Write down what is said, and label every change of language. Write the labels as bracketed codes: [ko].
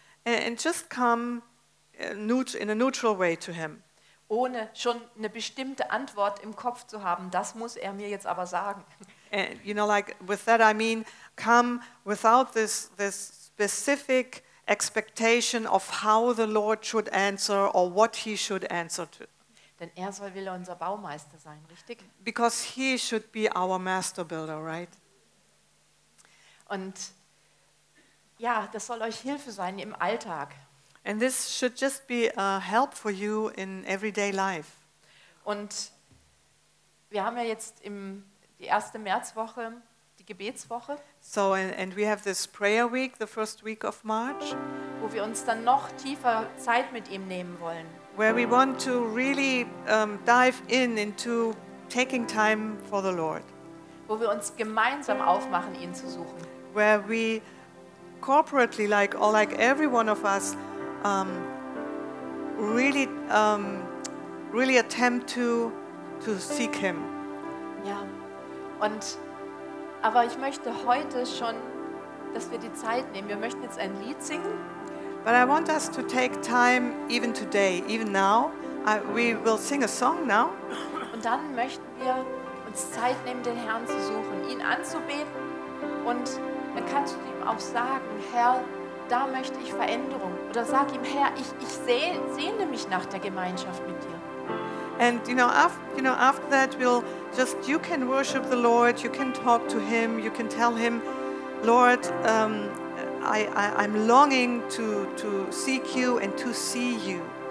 [en] And just come in a neutral way to him. [de] Ohne schon eine bestimmte Antwort im Kopf zu haben, das muss er mir jetzt aber sagen. [en] And, you know, like with that I mean, come without this specific expectation of how the Lord should answer or what he should answer to. [de] Denn er soll wieder unser Baumeister sein, richtig? [en] Because he should be our master builder, right? [de] Und ja, das soll euch Hilfe sein im Alltag. [en] And this should just be a help for you in everyday life. [de] Und wir haben ja jetzt die erste Märzwoche, die Gebetswoche. [en] So, and we have this prayer week, the first week of March. [de] Wo wir uns dann noch tiefer Zeit mit ihm nehmen wollen. [en] Where we want to really dive into taking time for the Lord. [de] wo wir uns gemeinsam aufmachen, ihn zu suchen. [en] Where we corporately, like every one of us, really attempt to seek him. [de] Ja. Und aber ich möchte heute schon, dass wir die Zeit nehmen. Wir möchten jetzt ein Lied singen. [en] But I want us to take time even today, even now. We will sing a song now. [de] Und dann möchten wir uns Zeit nehmen, den Herrn zu suchen, ihn anzubeten. Und dann kannst du ihm auch sagen, Herr, da möchte ich Veränderung. Oder sag ihm, Herr, ich sehne mich nach der Gemeinschaft mit dir. [en] And after that we'll just, you can worship the Lord, you can talk to him, you can tell him, Lord, I'm longing to seek you and to see you.